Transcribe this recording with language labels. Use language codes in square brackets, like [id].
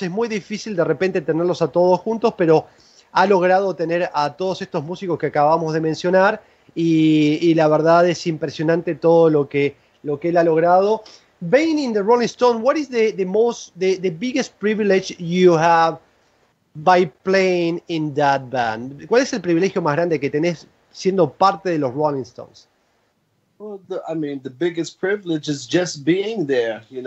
[es] Es muy difícil de repente tenerlos a todos juntos, pero ha logrado tener a todos estos músicos que acabamos de mencionar y la verdad es impresionante todo lo que él ha logrado. [en] Being in the Rolling Stone, what is the biggest privilege you have by playing in that band? [es] ¿Cuál es el privilegio más grande que tenés siendo parte de los Rolling Stones? [en] Well, the biggest privilege is just being there.